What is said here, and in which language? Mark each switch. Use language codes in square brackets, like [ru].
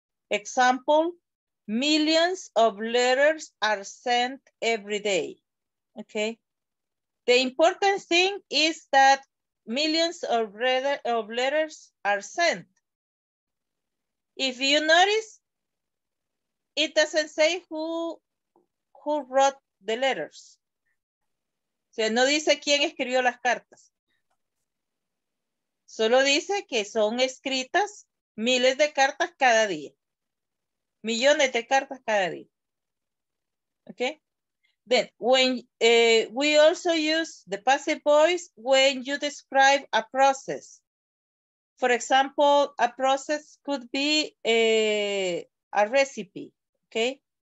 [en] Example, millions of letters are sent every day. Okay. The important thing is that millions of letters are sent. If you notice, it doesn't say who wrote the letters. [es] O sea, no dice quién escribió las cartas. Solo dice que son escritas miles de cartas cada día. Millones de cartas cada día. Okay? [en] Then, we also use the passive voice when you describe a process. For example, a process could be a recipe. Okay?